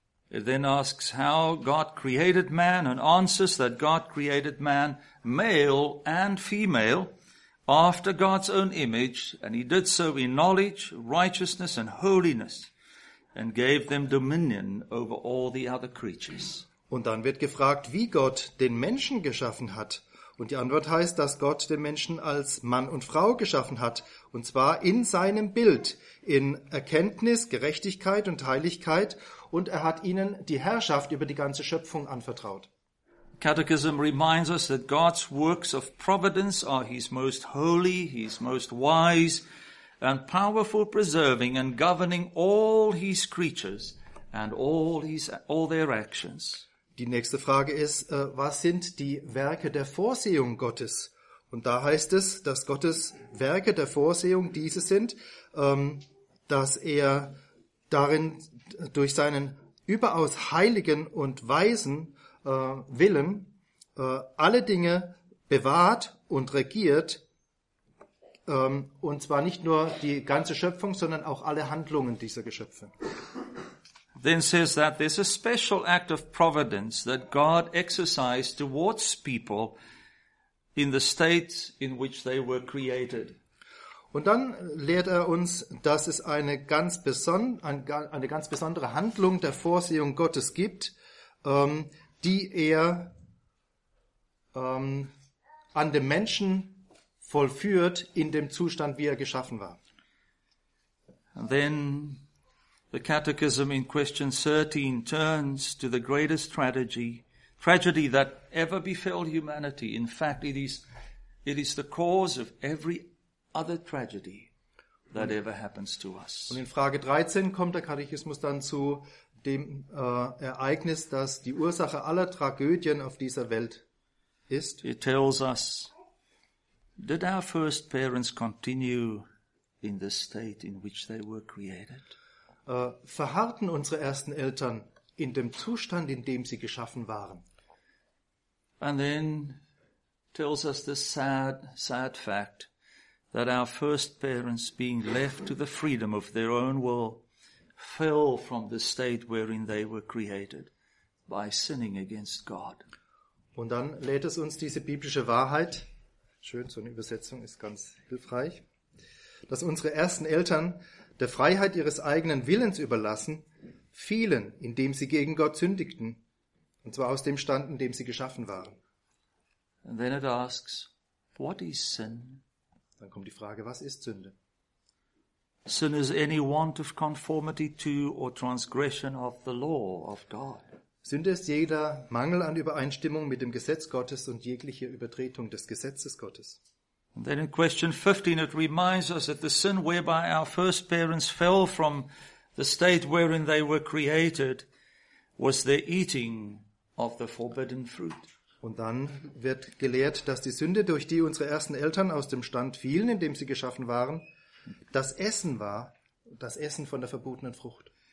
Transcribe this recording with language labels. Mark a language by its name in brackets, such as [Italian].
[English] It then asks how God created man and answers that God created man male and female after God's own image and he did so in knowledge, righteousness and holiness and gave them dominion over all the other creatures. [German] Und dann wird gefragt, wie Gott den Menschen geschaffen hat. Und die Antwort heißt, dass Gott den Menschen als Mann und Frau geschaffen hat. Und zwar in seinem Bild, in Erkenntnis, Gerechtigkeit und Heiligkeit. Und er hat ihnen die Herrschaft über die ganze Schöpfung anvertraut. [English] Catechism reminds us that God's works of providence are his most holy, his most wise and powerful preserving and governing all his creatures and all their actions. [German] Die nächste Frage ist, was sind die Werke der Vorsehung Gottes? Und da heißt es, dass Gottes Werke der Vorsehung diese sind, dass er darin durch seinen überaus heiligen und weisen Willen alle Dinge bewahrt und regiert, Und zwar nicht nur die ganze Schöpfung, sondern auch alle Handlungen dieser Geschöpfe. [English] Then says that there's a special act of providence that God exercised towards people in the state in which they were created. [German] Und dann lehrt er uns, dass es eine ganz besondere Handlung der Vorsehung Gottes gibt, die er an dem Menschen vollführt in dem Zustand, wie er geschaffen war. [English] Then the Catechism in question 13 turns to the greatest tragedy that ever befell humanity. In fact, it is the cause of every other tragedy that ever happens to us. [German] Und in Frage 13 kommt der Katechismus dann zu dem Ereignis, das die Ursache aller Tragödien auf dieser Welt ist. [English] It tells us, did our first parents continue in the state in which they were created? [German] Verharrten unsere ersten Eltern in dem Zustand, in dem sie geschaffen waren? [English] And then tells us the sad fact that our first parents, being left to the freedom of their own will, fell from the state wherein they were created by sinning against God. [German] Und dann lädt es uns diese biblische Wahrheit, schön, so eine Übersetzung ist ganz hilfreich, dass unsere ersten Eltern der Freiheit ihres eigenen Willens überlassen fielen, indem sie gegen Gott sündigten, und zwar aus dem Stand, in dem sie geschaffen waren. [English] And then it asks, what is sin? [German] Dann kommt die Frage, was ist Sünde? [English] Sin is any want of conformity to or transgression of the law of God. [German] Sünde ist jeder Mangel an Übereinstimmung mit dem Gesetz Gottes und jegliche Übertretung des Gesetzes Gottes. [English] And then in question 15 it reminds us that the sin whereby our first parents fell from the state wherein they were created was their eating of the forbidden fruit. [German] Und dann wird gelehrt, dass die Sünde, durch die unsere ersten Eltern aus dem Stand fielen, in dem sie geschaffen waren, das Essen von der verbotenen Frucht.